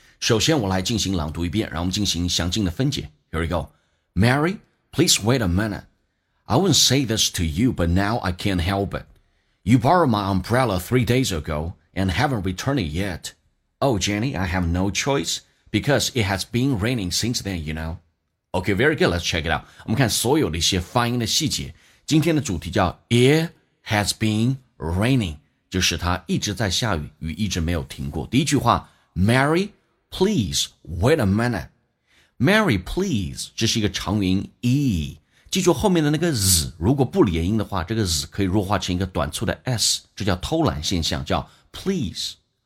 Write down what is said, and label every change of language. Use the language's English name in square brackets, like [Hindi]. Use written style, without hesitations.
[Chinese] 首先我来进行朗读一遍，然后我们进行详尽的分解。 [English] Here we go。 Mary, please wait a minute. I wouldn't say this to you, but now I can't help it. You borrowed my umbrella 3 days ago and haven't returned it yet. Oh, Jenny, I have no choice because it has been raining since then, you know. Okay, very good, let's check it out. [Chinese] 我们看所有的一些发音的细节。今天的主题叫 [English] It has been raining， [Chinese] 就是它一直在下雨，雨一直没有停过。 [English] 第一句话 ，Mary, please wait a minute。 [Chinese] Mary, please， 这是一个长元音 e， 记住后面的那个 z， 如果不连音的话，这个 z 可以弱化成一个短促的 s， 这叫偷懒现象，叫 please。